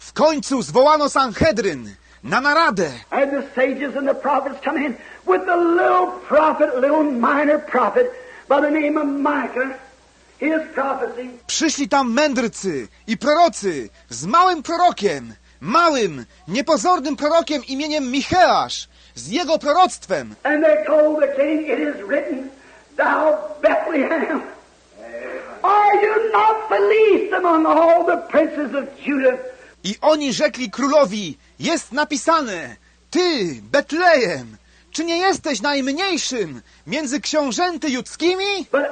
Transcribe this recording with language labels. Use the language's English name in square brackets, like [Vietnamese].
[Polish] W końcu zwołano Sanhedryn na naradę. [English] And the sages and the prophets come in with a little prophet, little minor prophet by the name of Micah, his prophecy. [Polish] Przyszli tam mędrcy i prorocy z małym prorokiem, małym, niepozornym prorokiem imieniem Micheasz, z jego proroctwem. [English] And they told the king, it is written, thou Bethlehem, are you not the least among all the princes of Judah? [Polish] I oni rzekli królowi, jest napisane, ty, Betlejem, czy nie jesteś najmniejszym między książęty judzkimi?